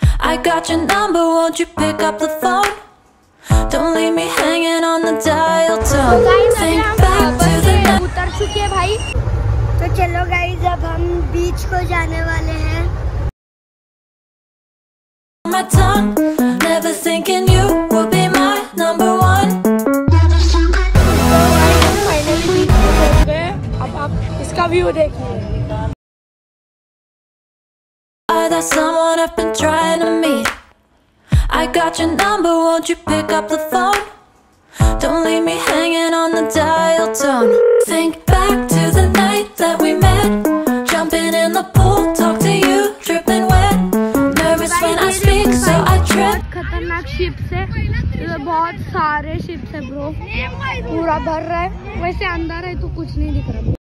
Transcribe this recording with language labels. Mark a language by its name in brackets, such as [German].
[English] I got your number, won't you pick up the phone? Don't leave me hanging on the dial tone. Guys, think back to the night. [Hindi] उतर चुके हैं भाई। तो चलो guys अब हम बीच को जाने वाले हैं। [English] My tongue, never thinking you would be my number one. [Hindi] Finally बीच पे चल गए। अब आप इसका व्यू देखिए। [English] That someone I've been trying to meet. I got your number, won't you pick up the phone? Don't leave me hanging on the dial tone. Think back to the night that we met. Jumping in the pool, talk to you, dripping wet. Nervous when I speak, so I trip. [Hindi] खतरनाक ships है, ये बहुत सारे ships हैं bro. पूरा भर रहा है, वैसे अंदर है तो कुछ नहीं दिख रहा.